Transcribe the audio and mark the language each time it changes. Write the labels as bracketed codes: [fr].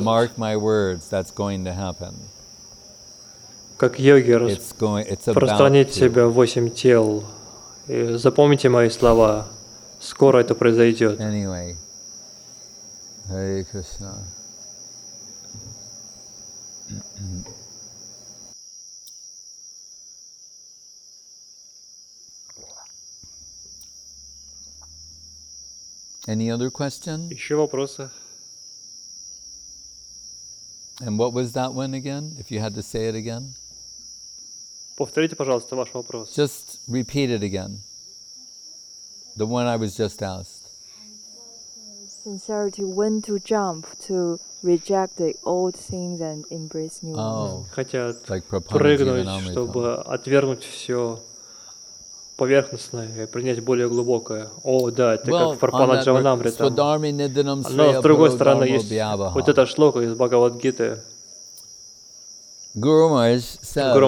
[en] And mark my words, that's going to happen. [ru] Как йоги распространить себя в восемь тел. И запомните мои слова. Скоро это произойдет. [en] Anyway. Hare Krishna. Any other question? [ru] Еще вопросы. [en] And what was that one again? If you had to say it again. [ru] Повторите, пожалуйста, ваш вопрос. [en] Just repeat it again. The one I was just asked. Sincerity, when to jump to reject the old things and embrace new ones. Oh, [ru] хотят [en] like [ru] прыгнуть, чтобы отвергнуть все. Поверхностное и принять более глубокое. О, да, это well, как Парпана Джаванамрита. Но с другой стороны, есть вот эта шлока из Бхагавадгиты. Гуру